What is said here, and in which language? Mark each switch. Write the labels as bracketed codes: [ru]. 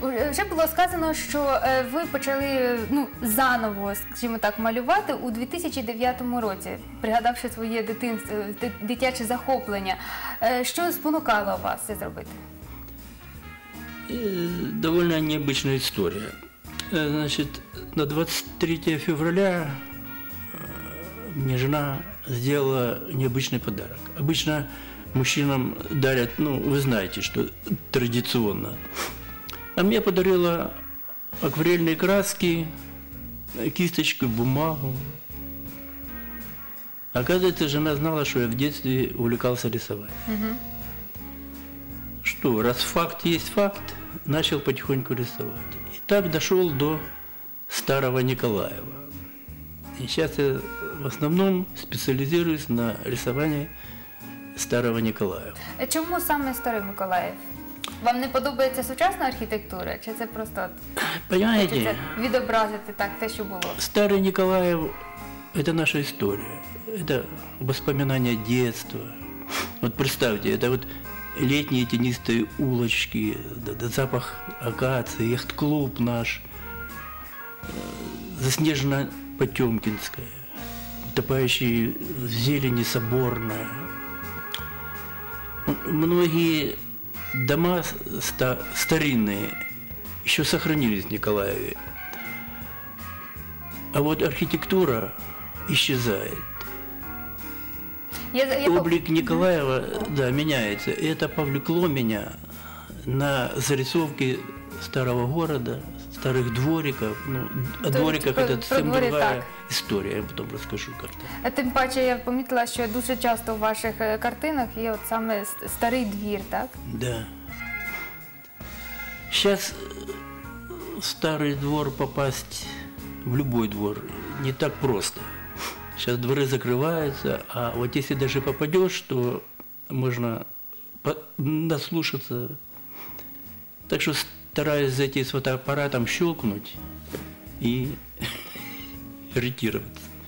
[uk] Вже було сказано, що ви почали заново, скажімо так, малювати у 2009 році, пригадавши своє дитинство, дитяче захоплення. Що спонукало вас це зробити? Доволі необична історія. [ru] Значить, на 23 февраля мне жена сделала необычный подарок. Обычно мужчинам дарят, вы знаете, что традиционно. А мне подарила акварельные краски, кисточку, бумагу. Оказывается, жена знала, что я в детстве увлекался рисованием. Угу. Что, раз факт есть факт, начал потихоньку рисовать. И так дошел до Старого Николаева. И сейчас я в основном специализируюсь на рисовании Старого Николаева. [uk] А чому саме Старий Миколаїв? Вам не подобається сучасна архітектура, чи це просто [ru] Понимаете? [uk] Відобразити так те, що було? Старий Николаїв – це наша історія. Це воспоминання дитинства. От представте, це от літні тіністі улочки, запах акації, яхт-клуб наш, засніжена Потемкинская, [ru] утопающий в зелени соборная. Многие дома старинные еще сохранились в Николаеве. А вот архитектура исчезает. Облик Николаева меняется. И это повлекло меня на зарисовки старого города. [uk] Старих двориків, [ru] о двориках [uk] це зовсім друга історія, я потім розкажу карти. Тим паче я помітила, що дуже часто у ваших картинах є от саме старий двір, так? [ru] Да. [uk] Зараз старий двор попасти в будь-який двор не так просто. Зараз двори закриваються, а от якщо навіть попадеш, то можна наслушатися. [ru] Так що стараюсь зайти с фотоаппаратом, щелкнуть и ретироваться.